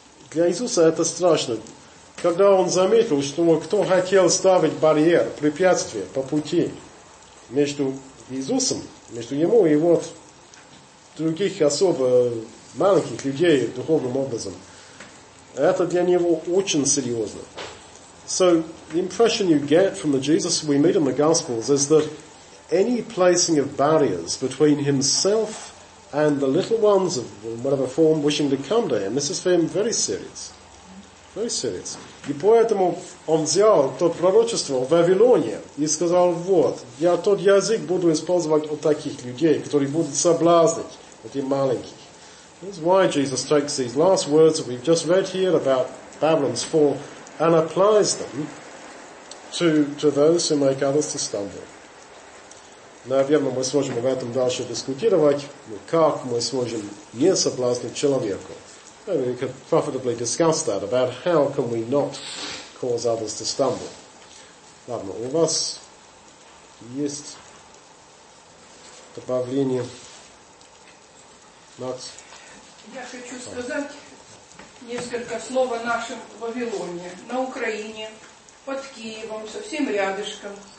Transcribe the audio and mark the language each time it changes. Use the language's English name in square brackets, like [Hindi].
[Russian] Для Иисуса это страшно. Когда он заметил, что кто хотел ставить барьер, препятствие по пути между Иисусом, между ему и вот других особо маленьких людей духовным образом, это для него очень серьезно. [English] So, the impression you get from the Jesus we meet in the Gospels is that any placing of barriers between himself and the little ones of whatever form wishing to come to him, this is for him very serious. Very serious. [Russian] И поэтому он взял то пророчество в Вавилоне и сказал, вот, я тот язык буду использовать у таких людей, которые будут соблазнить эти маленькие. [English] That's why Jesus takes these last words that we've just read here about Babylon's fall and applies them to those who make others to stumble. [Russian] Наверное, мы сможем об этом дальше дискутировать, как мы сможем не соблазнить человека. [English] Maybe we could profitably discuss that, about how can we not cause others to stumble. [Russian] Ладно, у вас есть добавление? Макс? Я хочу сказать несколько слов о нашем Вавилоне, на Украине, под Киевом, совсем рядышком.